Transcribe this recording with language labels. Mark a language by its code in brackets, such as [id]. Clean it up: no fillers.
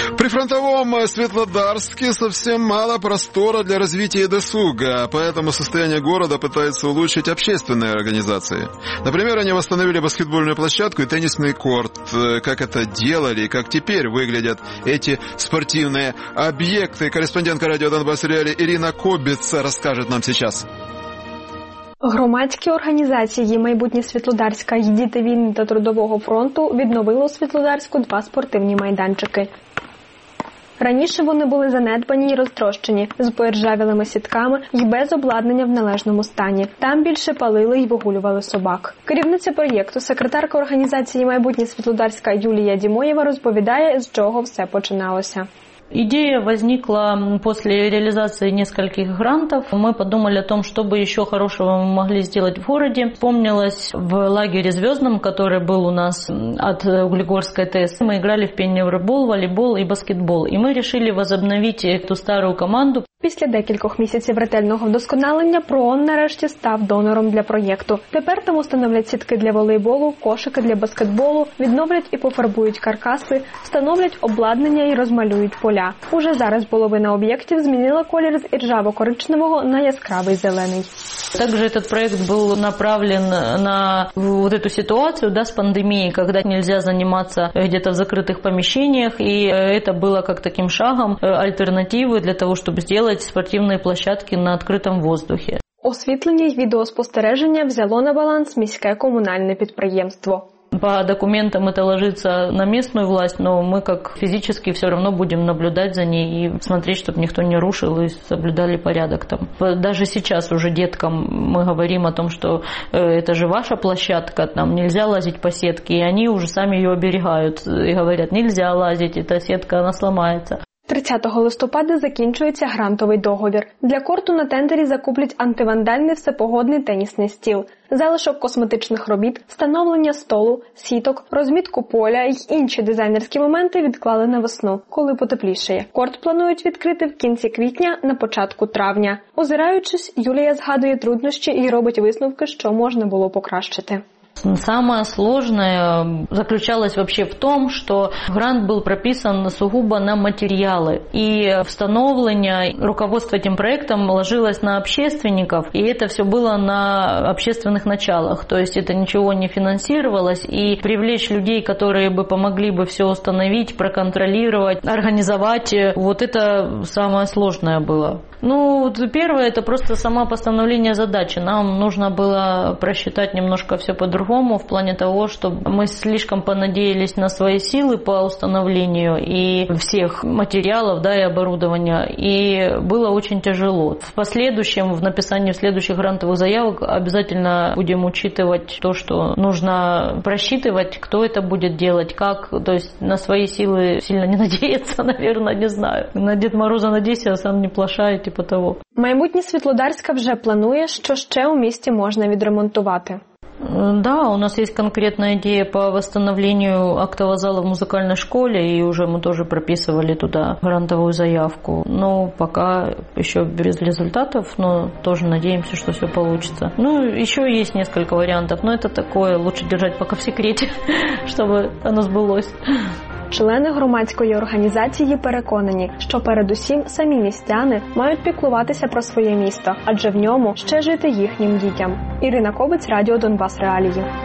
[ru] прифронтовом Светлодарске совсем мало простора для развития досуга, поэтому состояние города пытаются улучшить общественные организации. Например, они восстановили баскетбольную площадку и теннисный корт. Как это делали и как теперь выглядят эти спортивные объекты? Корреспондентка радио «Донбасс Реалі» Ірина Кобіца расскажет нам сейчас. [uk] Громадські організації «Майбутнє Світлодарська», «Діти війни» та «Трудового фронту» відновили у Світлодарську два спортивні майданчики. Раніше вони були занедбані і розтрощені, з поіржавілими сітками і без обладнання в належному стані. Там більше палили і вигулювали собак. Керівниця проєкту, секретарка організації «Майбутнє Світлодарська» Юлія Дімоєва розповідає, з чого все починалося. [ru] Идея возникла после реализации нескольких грантов. Мы подумали о том, что бы еще хорошего мы могли сделать в городе. Вспомнилось в лагере «Звездном», который был у нас от Углегорской ТС. Мы играли в пеневробол, волейбол и баскетбол. И мы решили возобновить эту старую команду. [uk] Після декількох місяців ретельного вдосконалення ПРООН нарешті став донором для проєкту. Тепер там установлять сітки для волейболу, кошики для баскетболу, відновлять і пофарбують каркаси, встановлять обладнання і розмалюють поля. Уже зараз половина об'єктів змінила колір з іржаво-коричневого на яскравий зелений. Також цей проєкт був направлений на [ru] вот эту [uk] ситуацію, да, з пандемією, коли не можна займатися [ru] где-то [uk] в закритих поміщеннях, і це було як таким шагом альтернативи для того, щоб зробити спортивні площадки на відкритому воздухі. Освітлення й відеоспостереження взяло на баланс міське комунальне підприємство. [ru] По документам это ложится на местную власть, но мы как физически все равно будем наблюдать за ней и смотреть, чтобы никто не рушил и соблюдали порядок там. Даже сейчас уже деткам мы говорим о том, что это же ваша площадка, там нельзя лазить по сетке, и они уже сами ее оберегают и говорят, нельзя лазить, эта сетка, она сломается. [uk] 30 листопада закінчується грантовий договір. Для корту на тендері закуплять антивандальний всепогодний тенісний стіл, залишок косметичних робіт, встановлення столу, сіток, розмітку поля і інші дизайнерські моменти відклали на весну, коли потеплішає. Корт планують відкрити в кінці квітня, на початку травня. Озираючись, Юлія згадує труднощі і робить висновки, що можна було покращити. [ru] Самое сложное заключалось вообще в том, что грант был прописан сугубо на материалы. И встановление, руководство этим проектом ложилось на общественников, и это все было на общественных началах. То есть это ничего не финансировалось, и привлечь людей, которые бы помогли бы все установить, проконтролировать, организовать, вот это самое сложное было. Ну, первое, это просто само постановление задачи. Нам нужно было просчитать немножко все по-другому, в плане того, что мы слишком понадеялись на свои силы по установлению и всех материалов, да, и оборудования, и было очень тяжело. В последующем, в написании следующих грантовых заявок обязательно будем учитывать то, что нужно просчитывать, кто это будет делать, как, то есть на свои силы сильно не надеяться, наверное, не знаю. На Дед Мороза надейся, а сам не плашай. [uk] Типу того. Майбутнє Світлодарська вже планує, що ще у місті можна відремонтувати. [ru] Да, у нас есть конкретная идея по восстановлению актового зала в музыкальной школе, и уже мы тоже прописывали туда грантовую заявку. Но пока еще без результатов, но тоже надеемся, что все получится. Ну, еще есть несколько вариантов, но это такое, лучше держать пока в секрете, чтобы оно сбылось. [uk] Члени громадської організації переконані, що передусім самі містяни мають піклуватися про своє місто, адже в ньому ще жити їхнім дітям. Ірина Кобець, радіо «Донбас Реалії».